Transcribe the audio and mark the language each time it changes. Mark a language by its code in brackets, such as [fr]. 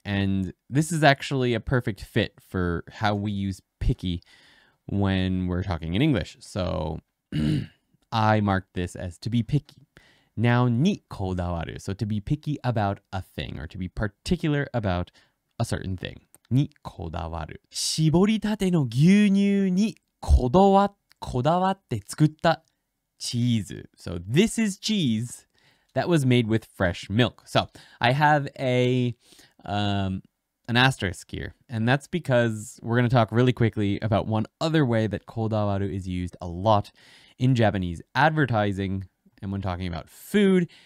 [en] And this is actually a perfect fit for how we use picky when we're talking in English. So I marked this as to be picky. Now, にこだわる. So to be picky about a thing or to be particular about a certain thing. にこだわる。 [ja] 絞りたての牛乳にこだわって作ったチーズ。 [en] So this is cheese that was made with fresh milk. So I have a, an asterisk here. And that's because we're going to talk really quickly about one other way that kodawaru is used a lot in Japanese advertising and when talking about food.